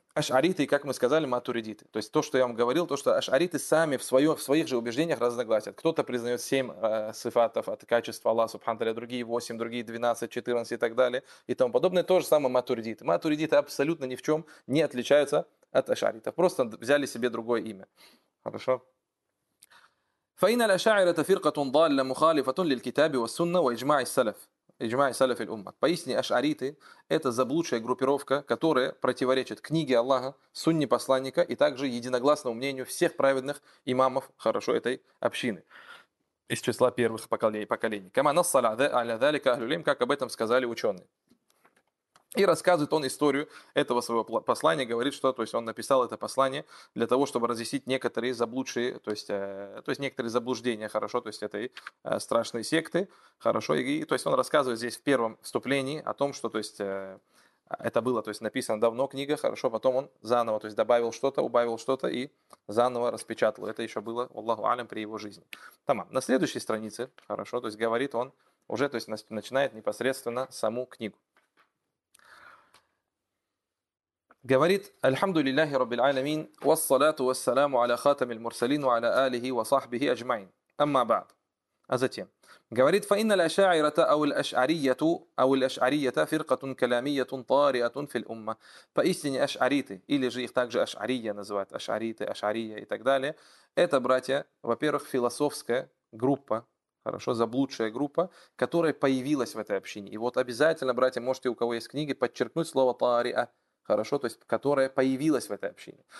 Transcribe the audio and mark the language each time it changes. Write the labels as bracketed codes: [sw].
[ru] Ашариты, как мы сказали, матуридиты. То есть то, что я вам говорил, то, что ашариты сами в своих же убеждениях разногласят. Кто-то признает 7 сифатов от качества Аллаха субханаху ва, другие 8, другие 12, 14 и так далее и тому подобное. То же самое матуридиты. Матуридиты абсолютно ни в чем не отличаются от ашаритов. Просто взяли себе другое имя. Хорошо? [ar] فإن الأشاعرة فرقة ضالة مخالفة للكتاب والسنة وإجماع السلف إجماع سلف الأمة. [ru] Поистине ашариты – это заблудшая группировка, которая противоречит книге Аллаха, сунне посланника и также единогласному мнению всех праведных имамов, хорошо, этой общины из числа первых поколений. [ar] كما نصّل على ذلك أهل العلم, [ru] как об этом сказали ученые. И рассказывает он историю этого своего послания, говорит, что, то есть, он написал это послание для того, чтобы разъяснить некоторые заблудшие, то есть некоторые заблуждения, хорошо, то есть этой страшной секты, хорошо, и то есть он рассказывает здесь в первом вступлении о том, что, то есть, это было, то есть, написано давно книга, хорошо, потом он заново, то есть, добавил что-то, убавил что-то и заново распечатал. Это еще было, Аллаху алям, при его жизни. Тамам. На следующей странице, хорошо, то есть, говорит он уже, то есть, начинает непосредственно саму книгу. [ar] Говорит, الحمد لله رب العالمين والصلاة والسلام على خاتم المرسلين وعلى آله وصحبه أجمعين. أما بعد. [ru] А затем. [ar] Говорит, فإن الأشاعرة أو الأشعرية أو الأشعرية فرقة كلامية طارئة في الأمة. [ru] Поистине أشعريتي, или же их также أشعرية называют, أشعريتي, أشعرية и так далее. Это, братья, во-первых, философская группа, хорошо, заблудшая группа, которая появилась в этой общине. И вот обязательно, братья, можете, у кого есть книги, подчеркнуть слово «тариа», хорошо, то есть, которая появилась в этой общине.